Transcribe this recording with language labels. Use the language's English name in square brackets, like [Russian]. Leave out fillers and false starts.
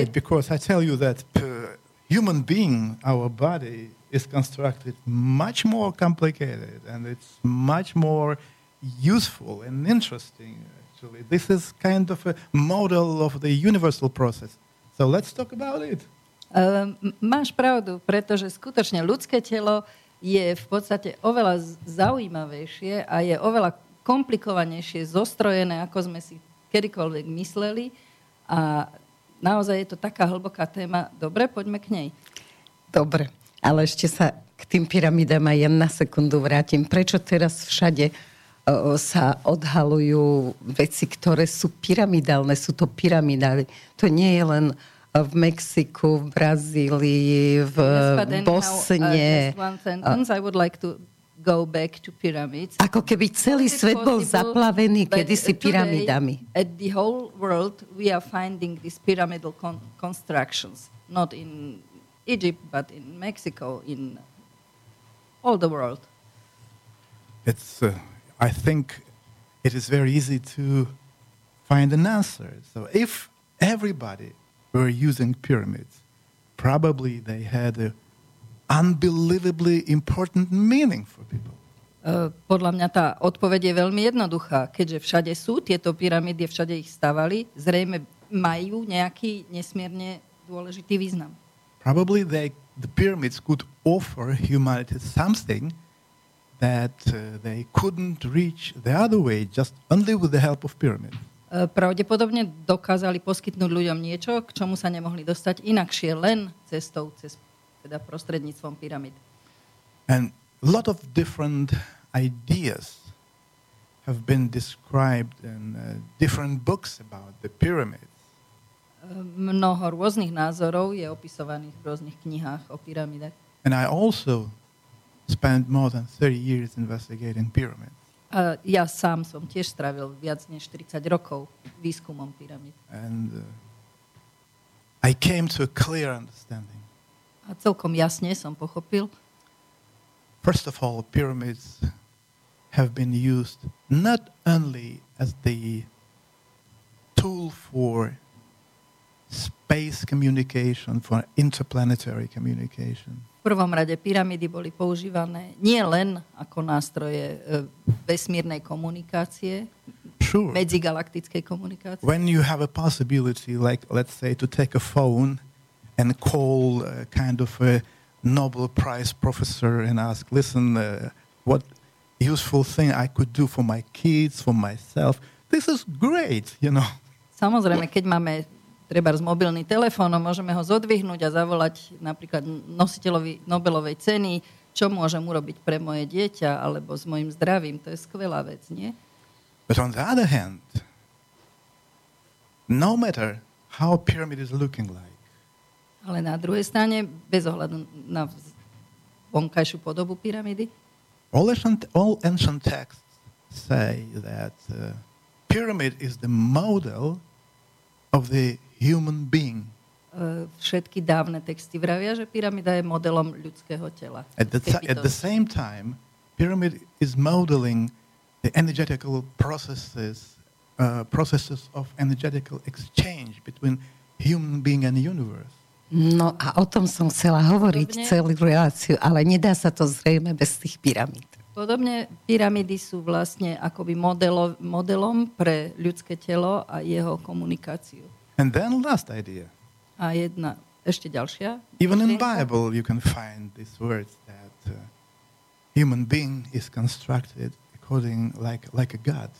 [English] right, because I tell you that human being, our body, is constructed much more complicated and it's much more useful and interesting, actually. This is kind of a model of the universal process. So let's talk about it. [Slovak] Máš pravdu, pretože skutočne ľudské telo je v podstate oveľa zaujímavejšie a je oveľa komplikovanejšie zostrojené, ako sme si kedykoľvek mysleli. A naozaj je to taká hlboká téma. Dobre, poďme k nej. Dobre, ale ešte sa k tým pyramidám aj na sekundu vrátim. Prečo teraz všade sa odhalujú veci, ktoré sú pyramidálne? Sú to pyramidály. To nie je len... v Mexiku, v Brazílii, v Bosne. [English] I would like to go back to pyramids. [Slovak] Ako keby celý svet bol zaplavený kedysi pyramidami. [English] At the whole world we are finding these pyramidal constructions, not in Egypt but in Mexico, in all the world. It's I think it is very easy to find an answer. So if everybody were using pyramids, probably they had an unbelievably important meaning for people. [Slovak] Podľa mňa tá odpoveď je veľmi jednoduchá. Keďže všade sú tieto pyramidy, všade ich stavali, zrejme majú nejaký nesmierne dôležitý význam. [English] Probably the pyramids could offer humanity something that they couldn't reach the other way, just only with the help of pyramids. [Slovak] Pravdepodobne dokázali poskytnúť ľuďom niečo, k čomu sa nemohli dostať inakšie, len cestou, teda prostredníctvom pyramid. [English] And a lot of different ideas have been described in different books about the pyramids. [Slovak] Mnoho rôznych názorov je opisovaných v rôznych knihách o pyramidách. [English] And I also spent more than 30 years investigating pyramids. [Slovak] A ja sám som tiež strávil viac než 40 rokov výskumom pyramid. [English] And I came to a clear understanding. [Slovak] A celkom jasne som pochopil. [English] First of all, pyramids have been used not only as the tool for space communication, for interplanetary communication. [Slovak] V prvom rade pyramidy boli používané nie len ako nástroje vesmírnej komunikácie, [English] sure, [Slovak] medzigalaktickej komunikácie. [English] When you have a possibility, like let's say to take a phone and call a kind of a Nobel Prize professor and ask, listen, what useful thing I could do for my kids, for myself. This is great, you know. [Slovak] Samozrejme, keď máme treba s mobilný telefónom, môžeme ho zodvihnúť a zavolať napríklad nositeľovi Nobelovej ceny, čo môžem urobiť pre moje dieťa alebo s mojim zdravím. To je skvelá vec, nie? [English] But on the other hand, no matter how pyramid is looking like. [Slovak] Ale na druhej strane, bez ohľadu na vonkajšiu podobu pyramidy. [English] All ancient texts say that pyramid is the model of the human being. [Slovak] Všetky dávne texty vravia, že pyramída je modelom ľudského tela. [English] At the same time, pyramid is modeling the energetical processes, processes of energetical exchange between human being and the universe. [Slovak] No a o tom som chcela hovoriť celú reláciu, ale nedá sa to zrejme bez tých pyramíd. Podobne pyramidy sú vlastne akoby modelom pre ľudské telo a jeho komunikáciu. [English] And then last idea. [Slovak] A jedna, ešte ďalšia. [English] Even in Bible you can find these words that human being is constructed according like a god.